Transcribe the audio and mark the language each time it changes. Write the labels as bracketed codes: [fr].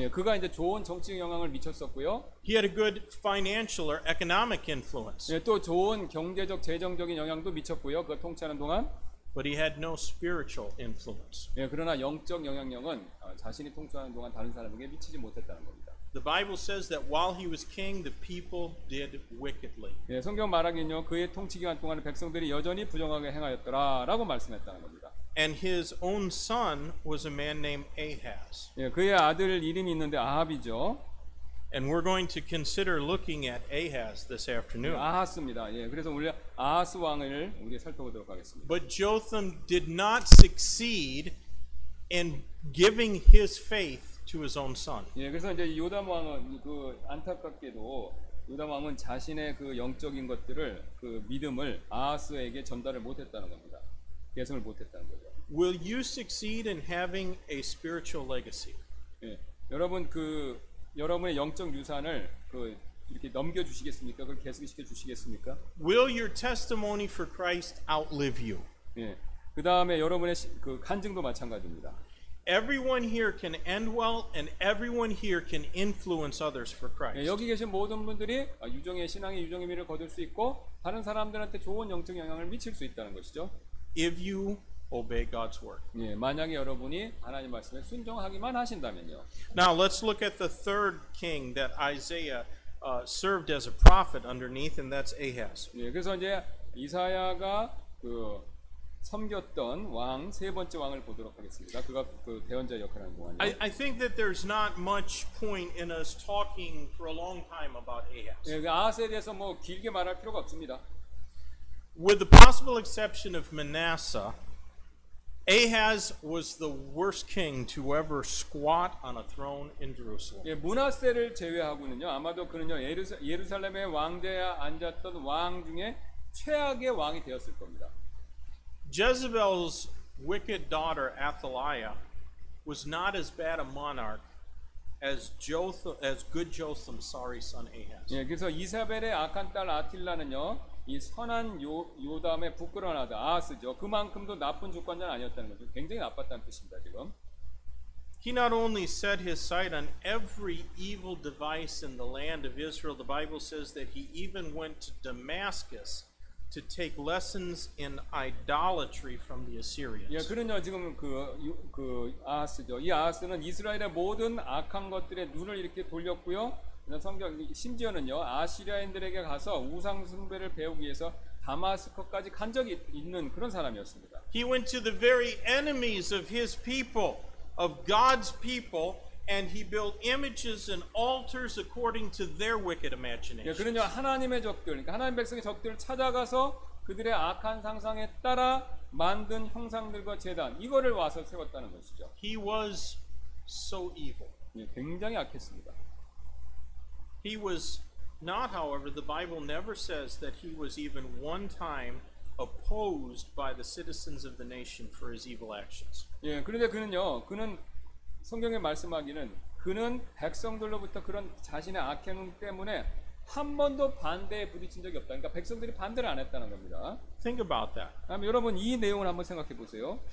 [ko] 예, 그가 이제 좋은 정치적 영향을 미쳤었고요. [en] He had a good financial or economic influence. [ko] 예, 또 좋은 경제적 재정적인 영향도 미쳤고요. 그 통치하는 동안. [en] But he had no spiritual influence. [ko] 예, 그러나 영적 영향력은 자신이 통치하는 동안 다른 사람에게 미치지 못했다는 겁니다. [en] The Bible says that while he was king, the people did wickedly. [ko] 예, 성경 말하기는요, 그의 통치 기간 동안에 백성들이 여전히 부정하게 행하였더라라고 말씀했다는 겁니다. [en] And his own son was a man named Ahaz. [ko] 예, 그의 아들 이름이 있는데 아합이죠. [en] And we're going to consider looking at Ahaz this afternoon. [ko] 예, 아하스입니다. 예, 그래서 우리 아하스 왕을 우리 살펴보도록 하겠습니다. [en] But Jotham did not succeed in giving his faith. To his own son. [ko] 예, 그래서 이제 요담 왕은 그 안타깝게도 요담 왕은 자신의 그 영적인 것들을 그 믿음을 아하스에게 전달을 못했다는 겁니다. 계승을 못했다는 거죠. [en] Will you succeed in having a spiritual legacy? [ko] 예, 여러분 그 여러분의 영적 유산을 그 이렇게 넘겨주시겠습니까? 그걸 계승시켜 주시겠습니까? [en] Will your testimony for Christ outlive you? [ko] 예, 그 다음에 여러분의 그 간증도 마찬가지입니다. [en] everyone here can end well and everyone here can influence others for Christ. [ko] 네, 여기 계신 모든 분들이 유종의 신앙의 유종의 미를 거둘 수 있고 다른 사람들한테 좋은 영적 영향을 미칠 수 있다는 것이죠. [en] If you obey God's word. [ko] 예, 만약에 여러분이 하나님 말씀에 순종하기만 하신다면요. [en] Now let's look at the third king that Isaiah served as a prophet underneath, and that's Ahaz. [ko] 예, 그래서 이제 이사야가 그 섬겼던 왕, 세 번째 왕을 보도록 하겠습니다. 그가 그 대언자 역할을 하는 동안. [en] I think that there's not much point in us talking for a long time about Ahaz. [ko] 예, 그 아하스에 대해서 뭐 길게 말할 필요가 없습니다. [en] With the possible exception of Manasseh. Ahaz was the worst king to ever squat on a throne in Jerusalem. [ko] 예, 므낫세를 제외하고는요. 아마도 그는요. 예루살렘의 왕대에 앉았던 왕 중에 최악의 왕이 되었을 겁니다. Jezebel's wicked daughter Athaliah was not as bad a monarch as good Jotham's sorry son Ahaz. 예, 그래서 이세벨의 악한 딸 아틸라는요. 이 선한 요담의 부끄러운 아들 아하스죠. 그만큼도 나쁜 주권자는 아니었다는 거죠. 굉장히 나빴다는 뜻입니다. 지금. [en] He not only set his sight on every evil device in the land of Israel. The Bible says that he even went to Damascus to take lessons in idolatry from the Assyrians. [ko] 예, 그런요. 지금 그 아하스죠. 이 아하스는 이스라엘의 모든 악한 것들의 눈을 이렇게 돌렸고요. 성경 심지어는요 아시리아인들에게 가서 우상 숭배를 배우기 위해서 다마스커까지 간 적이 있는 그런 사람이었습니다. [en] He went to the very enemies of his people, of God's people, and he built images and altars according to their wicked imagination. [ko] 예, 그러니 하나님의 적들, 그러니까 하나님 백성의 적들을 찾아가서 그들의 악한 상상에 따라 만든 형상들과 제단 이거를 와서 세웠다는 것이죠. [en] He was so evil. [ko] 예, 굉장히 악했습니다. [en] He was not, however, the Bible never says that he was even one time opposed by the citizens of the nation for his evil actions. [ko] 예, 그런데 그는요, 그는 성경에 말씀하기는 그는 백성들로부터 그런 자신의 악행 때문에 한 번도 반대에 부딪힌 적이 없다. 그러니까 백성들이 반대를 안 했다는 겁니다. [en] Think about that. [ko] 그럼 여러분 이 내용을 한번 생각해 보세요.